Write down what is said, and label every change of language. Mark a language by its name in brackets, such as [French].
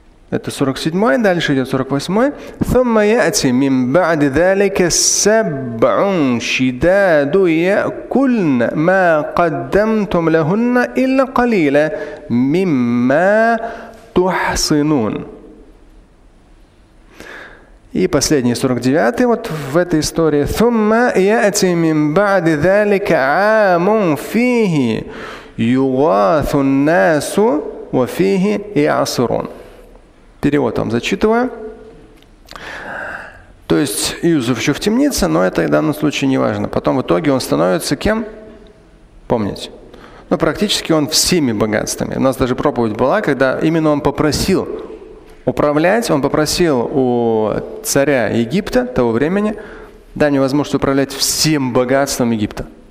[Russian] Это 47-й, дальше идет 48-й. [Arabic] ثم يأتي من بعد ذلك سبع شداد يأكلن ما قدمتم لهن إلا قليلا مما تحصنون. [Russian] И последний 49-й вот в этой истории. [Arabic] ثم يأتي من بعد ذلك عام فيه يغاث الناس وفيه يعصرون. [Russian] Перевод вам зачитываю. То есть Юсуф еще в темнице, но это в данном случае не важно. Потом в итоге он становится кем? Помните. Ну, практически он всеми богатствами. У нас даже проповедь была, когда именно он попросил управлять, он попросил у царя Египта того времени, дать мне возможность управлять всем богатством Египта.